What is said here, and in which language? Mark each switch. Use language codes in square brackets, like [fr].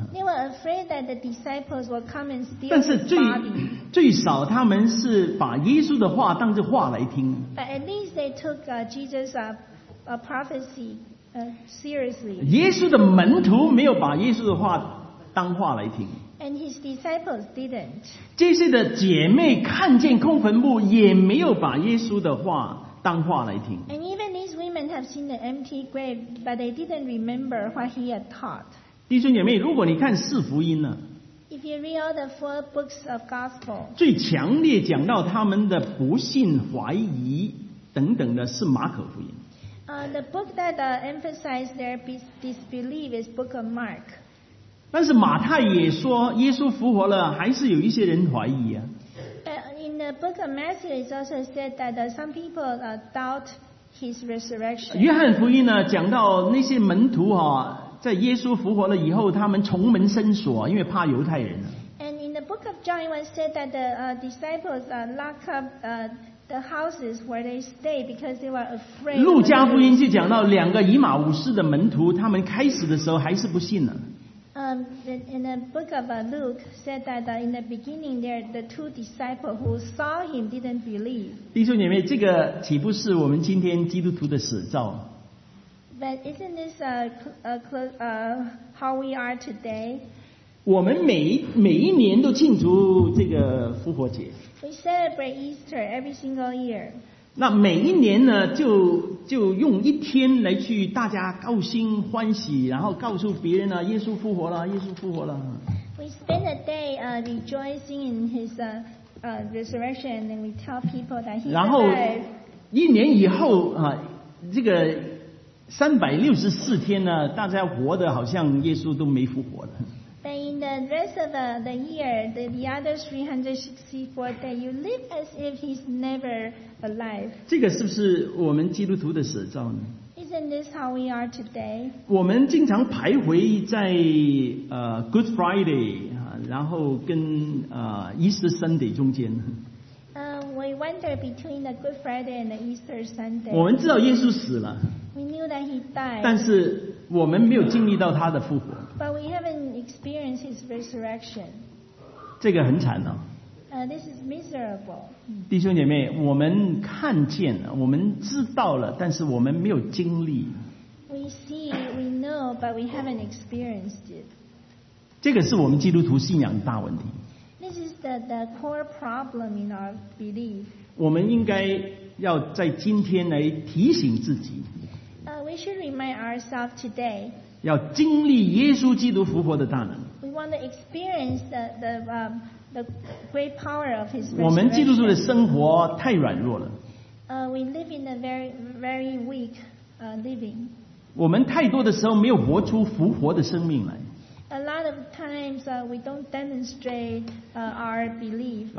[en] They were afraid that the disciples will come and steal. [zh] 但是最少他们是把耶稣的话当作话来听。 [en] But at least they took Jesus' prophecy seriously. [zh] 耶稣的门徒没有把耶稣的话当话来听。 [en] And his disciples didn't. [zh] 这些的姐妹看见空坟墓，也没有把耶稣的话当话来听。 [en] And even these women have seen the empty grave, but they didn't remember what he had taught. [zh] 弟兄姐妹，如果你看四福音呢？ [en] If you read all the four books of gospel, [zh] 最强烈讲到他们的不信、怀疑等等的是马可福音。 [en] The book that emphasizes their disbelief is Book of Mark. [zh] 但是马太也说耶稣复活了，还是有一些人怀疑啊。 [en] In the Book of Matthew, it's also said that some people doubt his resurrection. [zh] 约翰福音呢，讲到那些门徒哈、啊。在耶稣复活了以后，他们重门深锁，因为怕犹太人。 [en] And in the book of John, it was said that the disciples lock up the houses where they stay because they were afraid. [zh] 路加福音就讲到两个以马忤士的门徒，他们开始的时候还是不信呢。 [en] In the book of Luke, said that in the beginning, there the two disciples who saw him didn't believe. [zh] 弟兄姐妹，这个岂不是我们今天基督徒的写照？ [en] But isn't this how we are today? [zh] 我们每一年都庆祝这个复活节。 [en] We celebrate Easter every single year. [zh] 那每一年呢，就用一天来去大家高兴欢喜，然后告诉别人呢，耶稣复活了，耶稣复活了。 [en] We spend a day rejoicing in his resurrection, and then we tell people that he's alive. [zh] 然后一年以后啊，这个。 364天呢，大家活得好像耶稣都没复活的。 [en] But in the rest of the year, the other 364 days, you live as if he's never alive. [zh] 这个是不是我们基督徒的写照呢？ [en] Isn't this how we are today? [zh] 我们经常徘徊在Good Friday, 然后跟Easter Sunday 中间。 [en] We wander between the Good Friday and the Easter Sunday. [zh] 我们知道耶稣死了。 [en] We knew that he died. [zh] 但是我们没有经历到他的复活。 [en] But we haven't experienced his resurrection. [zh] 这个很惨哦。 [en] This is miserable. [zh] 弟兄姐妹，我们看见了，我们知道了，但是我们没有经历。 [en] We see, we know, but we haven't experienced it. [zh] 这个是我们基督徒信仰的大问题。 [en] This is the core problem in our belief. [zh] 我们应该要在今天来提醒自己。 [en] We should remind ourselves today. [zh] 要经历耶稣基督复活的大能。 [en] We want to experience the great power of his resurrection. [zh] 我们基督徒的生活太软弱了。 [en] We live in a very, very weak living. [zh] 我们太多的时候没有活出复活的生命来。 [en] A lot of times we don't demonstrate our belief.